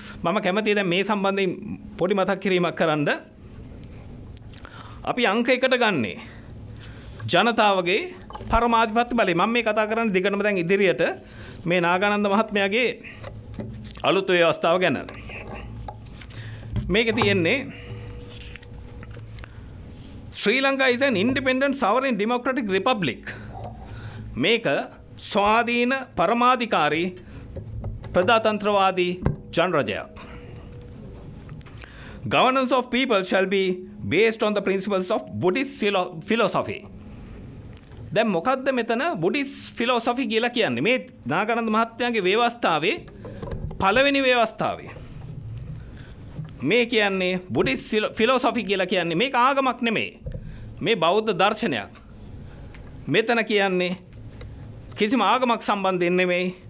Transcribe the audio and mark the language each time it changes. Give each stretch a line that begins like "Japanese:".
Sinhala: මම කැමතියි දැන් මේ සම්බන්ධයෙන් පොඩි මතක් කිරීමක් කරන්න. අපි අංක 1ට ගන්නේ ජනතාවගේ පරමාධිපත්‍ය බලය. මම මේ කතා කරන්නේ දිගටම දැන් ඉදිරියට මේ නාගානන්ද මහත්මයාගේ අලුත් ව්‍යවස්ථාව ගැන. මේකේ තියෙන්නේ
English: Sri Lanka is an independent sovereign democratic republic.
Sinhala: මේක ස්වාධීන පරමාධිකාරී ප්‍රදාතන්ත්‍රවාදී ජනරජයක්.
English: Governance of people shall be based on the principles of Buddhist philosophy.
Sinhala: දැන් මොකද්ද මෙතන Buddhist philosophy කියලා කියන්නේ? මේ නාගානන්ද මහත්මයාගේ ව්‍යවස්ථාවේ පළවෙනි ව්‍යවස්ථාවේ මේ කියන්නේ Buddhist philosophy කියලා කියන්නේ මේක ආගමක් නෙමෙයි. මේ බෞද්ධ දර්ශනයක්. මෙතන කියන්නේ කිසිම ආගමක් සම්බන්ධයෙන් නෙමෙයි.